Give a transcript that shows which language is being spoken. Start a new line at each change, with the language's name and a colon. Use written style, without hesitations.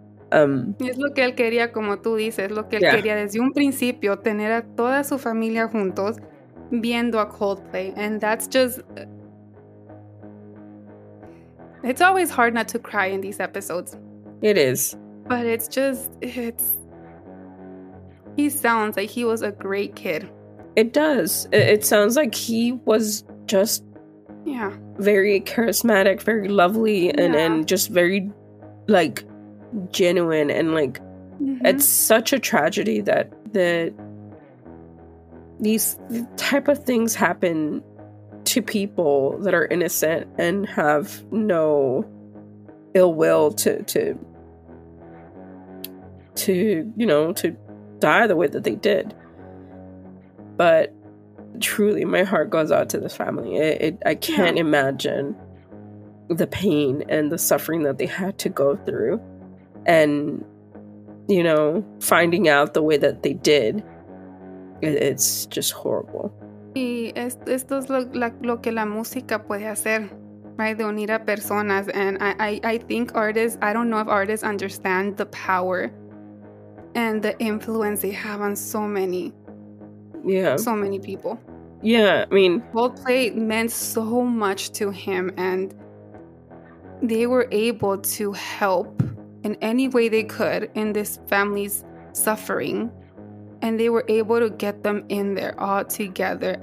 Spanish: Es lo que él quería, como tú dices, lo que él quería desde un principio, tener a toda su familia juntos viendo a Coldplay.
English: And that's just, it's always hard not to cry in these episodes. It is. But it's just, it's, he sounds like he was a great kid. It does. It sounds like he was just very charismatic, very lovely, and just very like genuine, and like it's such a tragedy that these type of things happen to people that are innocent and have no ill will to you know, to die the way that they did. But truly, my heart goes out to this family. I can't imagine the pain and the suffering that they had to go through, and, you know, finding out the way that they did, it's just horrible.
Spanish: Y esto es lo que la música puede hacer, right? De unir a personas.
English: And I think artists, I don't know if artists understand the power and the influence they have on so many. Yeah. So many people. Yeah, I mean, Coldplay meant so much to him, and they were able to help in any way they could in this family's suffering, and they were able to get them in there all together.